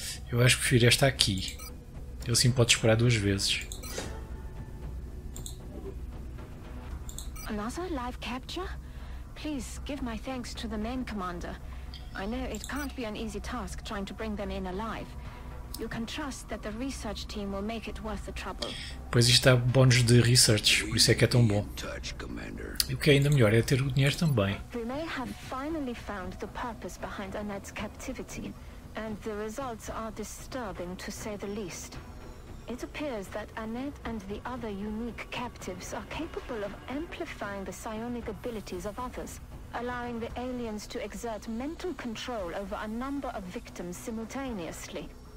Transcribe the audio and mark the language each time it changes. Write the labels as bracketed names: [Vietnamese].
[Portuguese] Eu acho que prefiro esta aqui. Ele sim pode esperar duas vezes. [English] Another live capture? Please give my thanks to the men, Commander. I know it can't be an easy task trying to bring them in alive. You can trust that the research team will make it worth the trouble. [Portuguese] Pois isto dá bónus de research, por isso é que é tão bom. E o que é ainda melhor é ter o dinheiro também. [English] We may have finally found the purpose behind Annette's captivity, and the results are disturbing to say the least. It appears that Annette and the other unique captives are capable of amplifying the psionic abilities of others, allowing the aliens to exert mental control over a number of victims simultaneously.